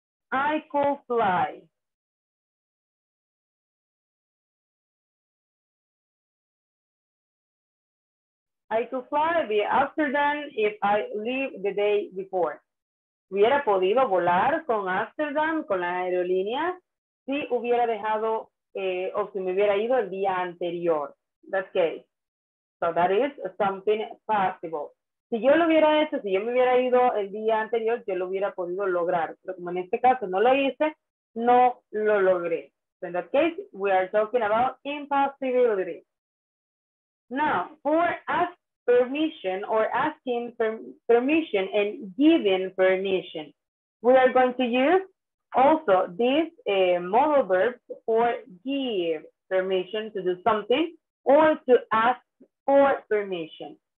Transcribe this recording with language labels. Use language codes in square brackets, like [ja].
[en] I could fly. I could fly the Amsterdam if I leave the day before. [es] Hubiera podido volar con Amsterdam, con la aerolínea, si hubiera dejado o si me hubiera ido el día anterior. [en] That's okay. So that is something possible. [es] Si yo lo hubiera hecho, si yo me hubiera ido el día anterior, yo lo hubiera podido lograr. Pero como en este caso no lo hice, no lo logré. [en] So in that case, we are talking about impossibility. Now, for ask permission or asking permission and giving permission, we are going to use also this modal verb for give permission to do something or to ask for permission.